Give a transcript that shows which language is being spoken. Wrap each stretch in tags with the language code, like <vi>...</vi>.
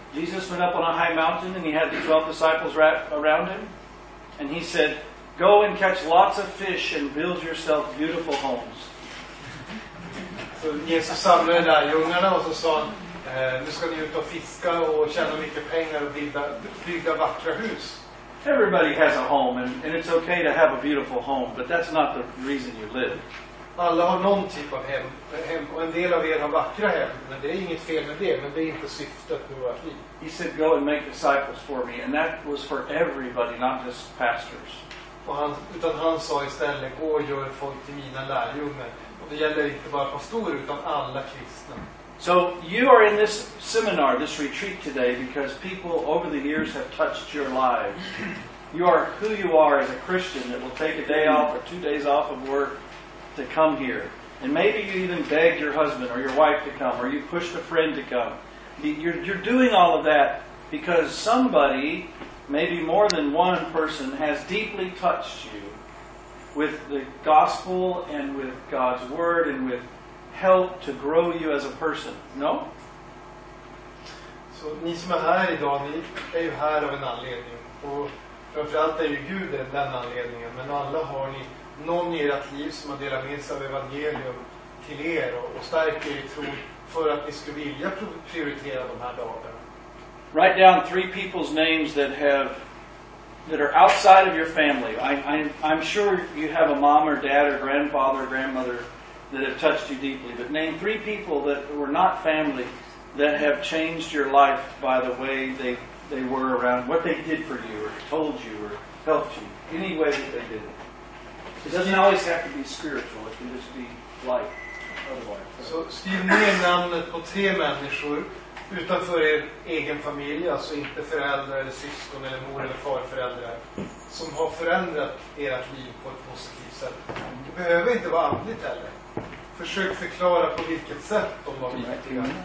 <en>Jesus went up on a high mountain and he had the 12 disciples right around him. And he said, go and catch lots of fish and build yourself beautiful homes.</en> <sv>Så Jesus samlade lärjungarna och så sa han, nu ska ni ut och fiska och tjäna mycket pengar och bygga vackra hus.</sv> <en>Everybody has a home, and it's okay to have a beautiful home, but that's not the reason you live.</en> <sv>Alla har någon typ av hem, och en del av er har vackra hem, men det är inget fel med det, men det är inte syftet med vårt liv.</sv> <en>He said, go and make disciples for me, and that was for everybody, not just pastors.</en> <sv>Utan han sa istället, gå och gör folk till mina lärjungar, och det gäller inte bara pastorer, utan alla kristna.</sv> <en>So you are in this seminar, this retreat today, because people over the years have touched your lives. You are who you are as a Christian that will take a day off or 2 days off of work to come here. And maybe you even begged your husband or your wife to come, or you pushed a friend to come. You're doing all of that because somebody, maybe more than one person, has deeply touched you with the gospel and with God's word and with help to grow you as a person. No?</en> <sv>Så ni som är här idag, ni är ju här av en anledning. Och framförallt är ju Gud den anledningen. Men alla har ni någon i ert liv som har delat med sig av evangelium till er och stärker er tro för att ni skulle vilja prioritera de här dagarna.</sv> <en>Write down three people's names that are outside of your family. I'm sure you have a mom or dad or grandfather or grandmother that have touched you deeply, but name three people that were not family that have changed your life by the way they were around, what they did for you or told you or helped you, any way that they did it. It doesn't always have to be spiritual, it can just be life otherwise.</en> <sv>So skriv ner namnet på tre människor utanför er egen familj, alltså inte föräldrar eller syskon eller mor eller farföräldrar, som har förändrat ert liv på ett positivt sätt. Det behöver inte vara andligt heller. Försök förklara på vilket sätt de var viktiga.</sv>